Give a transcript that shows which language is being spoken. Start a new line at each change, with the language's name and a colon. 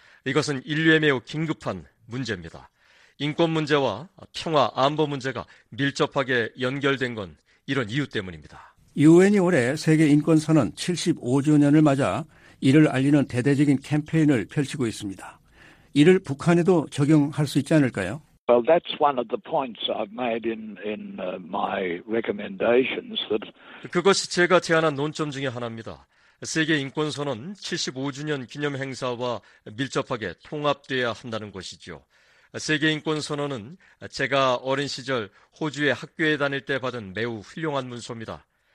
Korean: 이것은 인류에 매우 긴급한 문제입니다. 인권 문제와 평화 안보 문제가 밀접하게 연결된 건 이런 이유 때문입니다. 유엔이 올해 세계 인권 선언 75주년을 맞아 이를 알리는 대대적인 캠페인을 펼치고 있습니다. 이를 북한에도 적용할 수 있지 않을까요?
English: Well, that's one of the points I've made in my recommendations.
Korean: 그것이 제가 제안한 논점 중에 하나입니다. 세계 인권 선언 75주년 기념 행사와 밀접하게 통합되어야 한다는 것이죠. 세계인권선언은 제가 어린 시절 호주의 학교에 다닐 때 받은 매우 훌륭한 문서입니다.